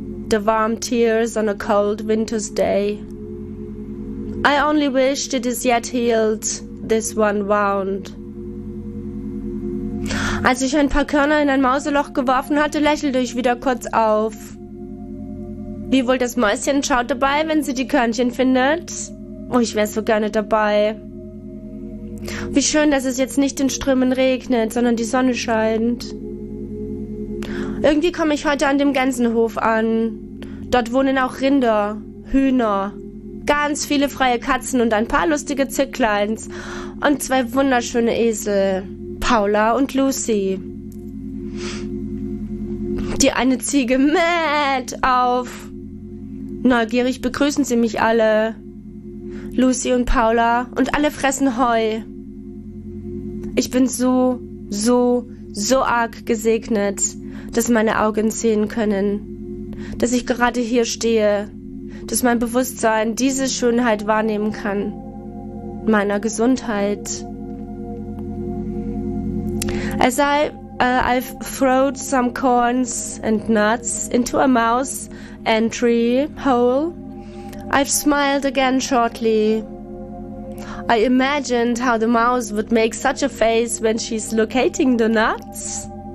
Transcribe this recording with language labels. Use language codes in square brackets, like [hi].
[en] The warm tears on a cold winter's day. I only wish it is yet healed. This one wound. [de] Als ich ein paar Körner in ein Mauseloch geworfen hatte, lächelte ich wieder kurz auf. Wie wohl das Mäuschen schaut dabei, wenn sie die Körnchen findet? Oh, ich wäre so gerne dabei. Wie schön, dass es jetzt nicht in Strömen regnet, sondern die Sonne scheint. Irgendwie komme ich heute an dem Gänsenhof an. Dort wohnen auch Rinder, Hühner, ganz viele freie Katzen und ein paar lustige Zickleins und zwei wunderschöne Esel, Paula und Lucy. Die eine Ziege mäht auf. Neugierig begrüßen sie mich alle, Lucy und Paula, und alle fressen Heu. Ich bin so arg gesegnet, dass meine Augen sehen können, dass ich gerade hier stehe, dass mein Bewusstsein diese Schönheit wahrnehmen kann, meiner Gesundheit. [en] As I've thrown some corns and nuts into a mouse entry hole, I've smiled again shortly. I imagined how the mouse would make such a face when she's locating the nuts.